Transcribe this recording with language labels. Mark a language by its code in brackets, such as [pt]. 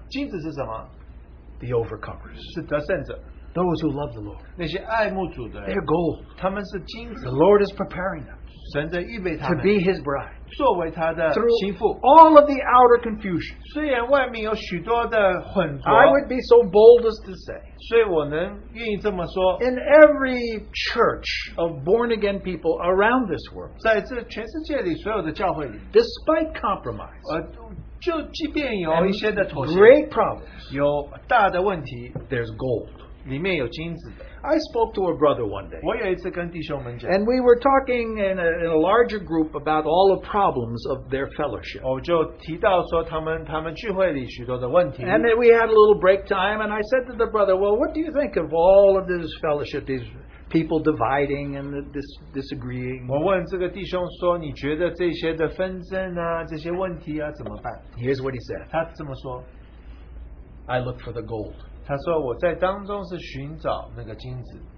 [zh] 金子是什么? [en] The overcomers. [zh] 是得胜者, [en] those who love the Lord. [zh] 那些爱慕主的人, [en] they're gold. [zh] 他们是金子, [en] the Lord is preparing them. [zh] 神在预备他们, [en] to be his bride. [zh] 作为他的媳妇, [en] through all of the outer confusion. [zh] 虽然外面有许多的混浊, [en] I would be so bold as to say. [zh] 所以我能愿意这么说, [en] in every church of born again people around this world, [zh] 在这全世界里所有的教会里, [en] despite compromise, [zh] 就即便有一些的妥协, [en] great problems, [zh] 有大的问题, [en] there's gold. [zh] 里面有金子的, [en] I spoke to a brother one day. [zh] 我有一次跟弟兄们讲, [en] and we were talking in a larger group about all the problems of their fellowship. [zh] 我就提到说他们聚会里许多的问题, [en] and then we had a little break time, and I said to the brother, well, what do you think of all of this fellowship, these people dividing and disagreeing? [zh] 我问这个弟兄说, 你觉得这些的纷争啊, 这些问题啊, 怎么办? [en] Here's what he said. [zh] 他这么说, [en] I look for the gold. [zh] 他说我在当中是寻找那个金子。